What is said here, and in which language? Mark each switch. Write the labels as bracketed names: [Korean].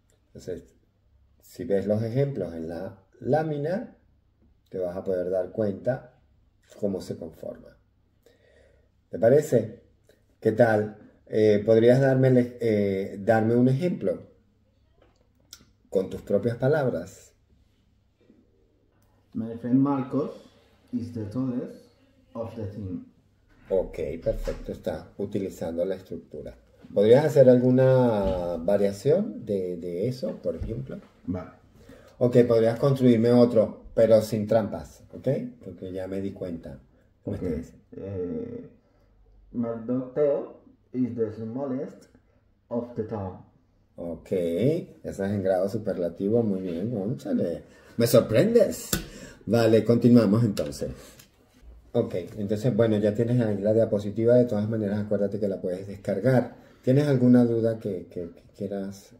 [Spanish] Entonces, si ves los ejemplos en la lámina, te vas a poder dar cuenta cómo se conforma. ¿Te parece? ¿Qué tal? ¿Podrías darme un ejemplo con tus propias palabras? [English] My friend Marcos is the tallest of the team. [Spanish] Ok, perfecto. Está utilizando la estructura. ¿Podrías hacer alguna variación de eso, por ejemplo? Vale. Ok, podrías construirme otro, pero sin trampas, ¿ok? Porque ya me di cuenta. ¿Cómo [English] Okay. [Spanish] está ese? [English] Mateo is the smallest of the town. [Spanish] Ok, estás en grado superlativo, muy bien, cónchale. ¿Me sorprendes? Vale, continuamos entonces. Ok, entonces, bueno, ya tienes ahí la diapositiva, de todas maneras, acuérdate que la puedes descargar. ¿Tienes alguna duda que quieras?